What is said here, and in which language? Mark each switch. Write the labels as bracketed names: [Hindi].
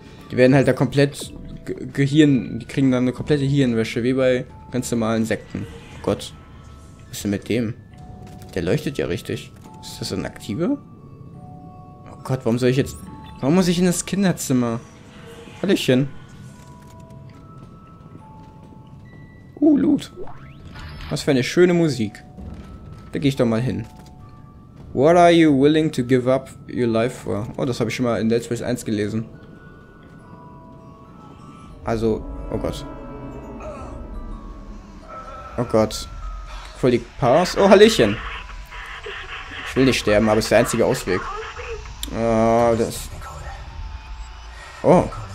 [German] Die werden halt da komplett Gehirn. Die kriegen dann eine komplette Hirnwäsche, wie bei ganz normalen Sekten. Oh Gott. Was ist denn mit dem? Der leuchtet ja richtig. Ist das ein Aktiver? Gott, warum soll ich jetzt... Warum muss ich in das Kinderzimmer? Hallöchen. Loot. Was für eine schöne Musik. Da gehe ich doch mal hin. [English] What are you willing to give up your life for? [German] Oh, das habe ich schon mal in Dead Space 1 gelesen. Also, oh Gott. Oh Gott. Voll die Pause. Oh, Hallöchen. Ich will nicht sterben, aber es ist der einzige Ausweg. Das. Oh.